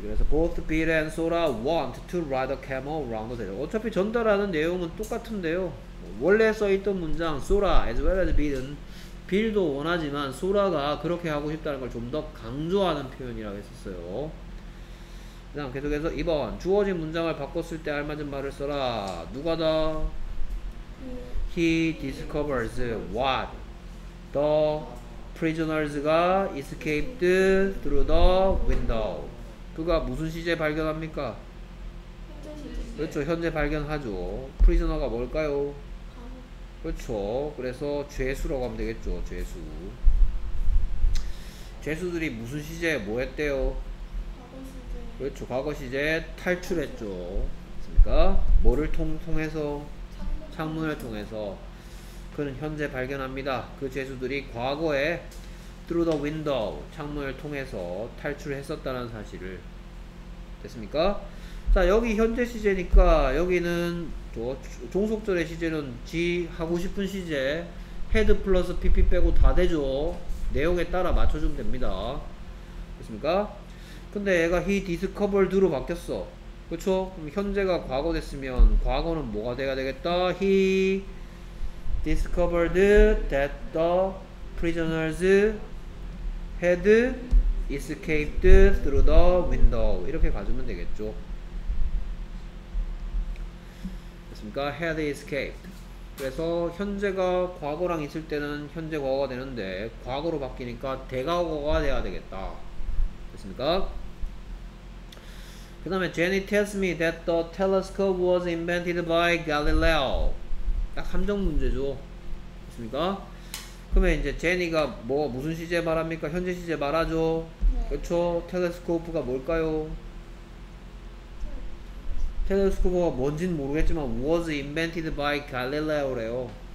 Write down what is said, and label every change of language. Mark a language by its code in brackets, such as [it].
[ko] 그래서 [en] both Bill and Sora want to ride a camel around the desert. [ko] 어차피 전달하는 내용은 똑같은데요. 원래 써있던 문장 Sora as well as Bill은 Bill도 원하지만 Sora가 그렇게 하고 싶다는 걸 좀 더 강조하는 표현이라고 했었어요. 그 다음 계속해서 2번 주어진 문장을 바꿨을 때 알맞은 말을 써라. 누가 더? [en] He discovers what the prisoners가 escaped through the window. [ko] 그가 무슨 시제 발견합니까? 그렇죠. 현재 발견하죠. 프리즈너가 뭘까요? 그렇죠. 그래서 죄수라고 하면 되겠죠. 죄수. 죄수들이 무슨 시제에 뭐 했대요? 그렇죠. 과거 시제에 탈출했죠. 그렇습니까? 뭐를 통해서? 창문을 통해서. 그는 현재 발견합니다. 그 죄수들이 과거에 through the window, 창문을 통해서 탈출했었다는 사실을. 됐습니까? 자 여기 현재 시제니까 여기는 또 종속절의 시제는 지 하고 싶은 시제 head 플러스 pp 빼고 다 되죠. 내용에 따라 맞춰주면 됩니다. 됐습니까? 근데 얘가 he discovered로 바뀌었어. 그렇죠? 그럼 현재가 과거 됐으면 과거는 뭐가 돼야 되겠다? [en] he discovered that the prisoners had escaped through the window [ko] 이렇게 가주면 되겠죠. 됐습니까? had escaped. 그래서 현재가 과거랑 있을 때는 현재 과거가 되는데 과거로 바뀌니까 대과거가 돼야 되겠다. 됐습니까? 그 다음에 [en] Jenny tells me that the telescope was invented by Galileo. [ko] 딱 함정 문제죠. 됐습니까? 그러면 이제 제니가 뭐 무슨 시제 말합니까? 현재 시제 말하죠. 네. 그렇죠. 텔레스코프가 뭘까요? 텔레스코프가 뭔진 모르겠지만 [en] was invented by Galileo [ko] 래요.